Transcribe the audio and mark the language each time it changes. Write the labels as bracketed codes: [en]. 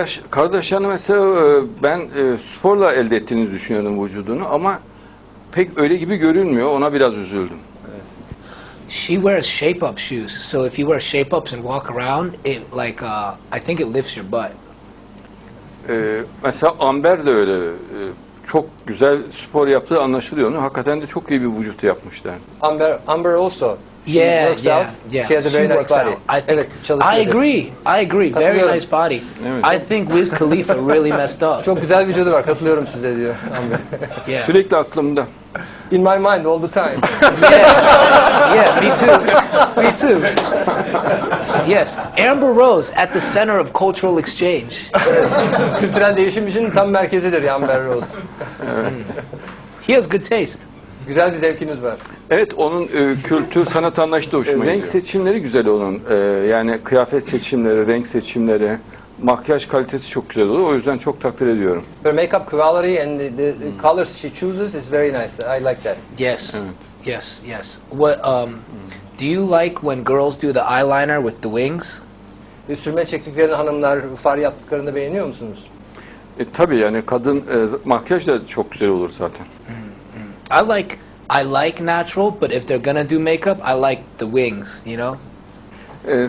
[tr] Kardeşhanım mesela ben sporla elde ettiğini düşünüyordum vücudunu ama pek öyle gibi görünmüyor. Ona biraz üzüldüm. [en] She wears shape-up shoes. So if you wear shape-ups and walk around, it like I think it lifts your butt. [tr] Mesela Amber de öyle çok güzel spor yaptığı anlaşılıyor. Hakikaten de çok iyi bir vücut yapmışlar. [en] Amber also. Yeah, she has a very nice body. Evet, I agree. Very nice body. Evet. I think Wiz Khalifa really messed up. [tr] Çok güzel vücudu var. Katılıyorum size diyor Amber. Yeah. Sürekli aklımda. [en] In my mind all the time. Yeah, me too. Yes, Amber Rose at the center of cultural exchange. [tr] Yes, kültürel değişim için tam merkezidir Amber Rose. [en] He has good taste. [tr] Güzel bir zevkiniz var. Evet, onun kültür sanat anlayışı da hoşuma gidiyor. Renk seçimleri güzel onun. Yani kıyafet seçimleri, renk seçimleri, makyaj kalitesi çok güzel oluyor. O yüzden çok takdir ediyorum. [en] Her makeup quality and the colors she chooses is very nice. I like that. Yes. Evet. Yes. What do you like when girls do the eyeliner with the wings? [tr] Sürme çektiklerini hanımlar far yaptıklarını beğeniyor musunuz? Tabii yani kadın makyaj da çok güzel olur zaten. [en] I like natural, but if they're gonna do makeup, I like the wings, you know?